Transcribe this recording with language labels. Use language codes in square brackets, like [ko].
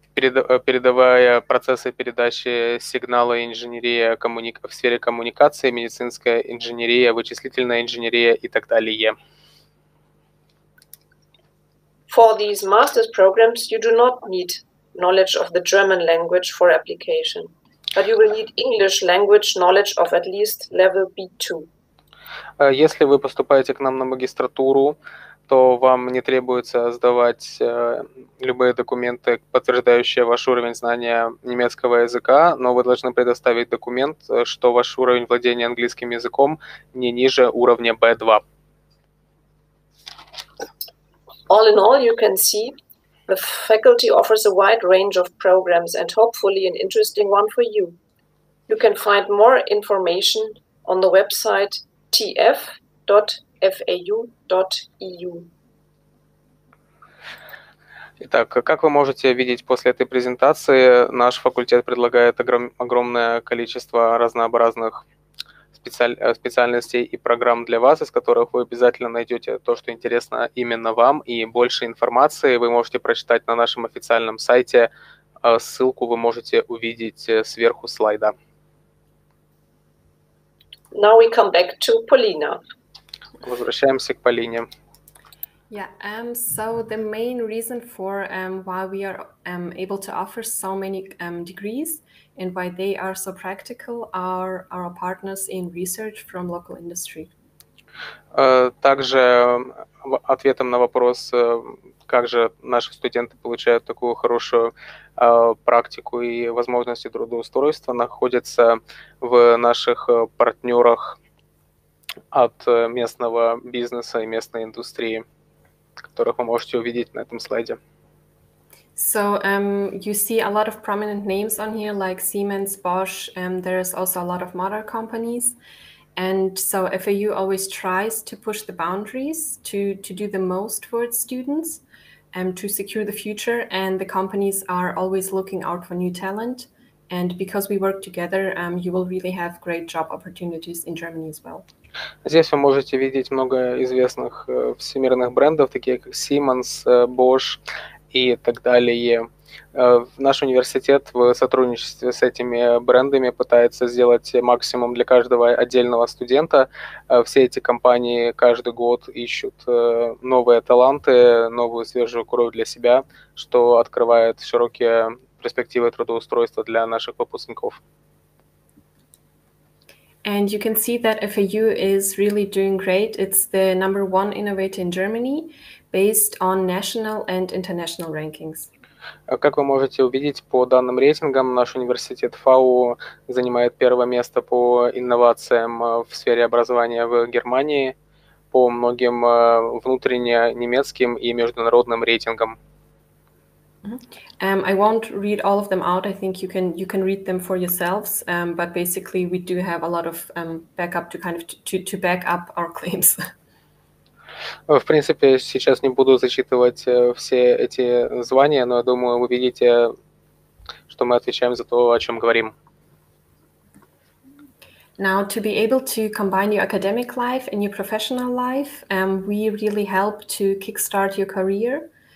[ru] Передавая процессы передачи сигнала, инженерия в сфере коммуникации, медицинская инженерия, вычислительная инженерия и так далее. [en] For these master's programs, you do not need knowledge of the German language for application, but you will need English language knowledge of at least level B2. [ru] Если вы поступаете к нам на магистратуру, то вам не требуется сдавать любые документы, подтверждающие ваш уровень знания немецкого языка, но вы должны предоставить документ, что ваш уровень владения английским языком не ниже уровня B2. [en] All in all, you can see the faculty offers a wide range of programs and hopefully an interesting one for you. You can find more information on the website tf.fau.eu. [ru] Итак, как вы можете видеть после этой презентации, наш факультет предлагает огромное количество разнообразных специальностей и программ для вас, из которых вы обязательно найдете то, что интересно именно вам, и больше информации вы можете прочитать на нашем официальном сайте. Ссылку вы можете увидеть сверху слайда. [en] Now we come back to Polina. [ru] Возвращаемся к Полине. [en] Yeah, so the main reason for why we are able to offer so many degrees and why they are so practical are our partners in research from local industry. [ru] Также ответом на вопрос, как же наши студенты получают такую хорошую практику и возможности трудоустройства, находятся в наших партнерах от местного бизнеса и местной индустрии, которых вы можете увидеть на этом слайде. [en] So you see a lot of prominent names on here, like Siemens, Bosch, there is also a lot of motor companies. And so FAU always tries to push the boundaries to do the most for its students and to secure the future. And the companies are always looking out for new talent. And because we work together, you will really have great job opportunities in Germany as well. [ru] Здесь вы можете видеть много известных всемирных брендов, такие как Siemens, Bosch и так далее. Наш университет в сотрудничестве с этими брендами пытается сделать максимум для каждого отдельного студента. Все эти компании каждый год ищут новые таланты, новую свежую кровь для себя, что открывает широкие перспективы трудоустройства для наших выпускников. [en] And you can see that FAU is really doing great. It's the number one innovator in Germany based on national and international rankings. [ru] Как вы можете увидеть по данным рейтингам, наш университет ФАУ занимает первое место по инновациям в сфере образования в Германии по многим внутренне немецким и международным рейтингам. [en] I won't read all of them out. I think you can read them for yourselves. But basically, we do have a lot of backup to back up our claims. [ru] В принципе, сейчас не буду зачитывать все эти звания, но я думаю, вы видите, что мы отвечаем за то, о чем говорим. [en] Now, to be able to combine your academic life and your professional life, we really help to kickstart your career.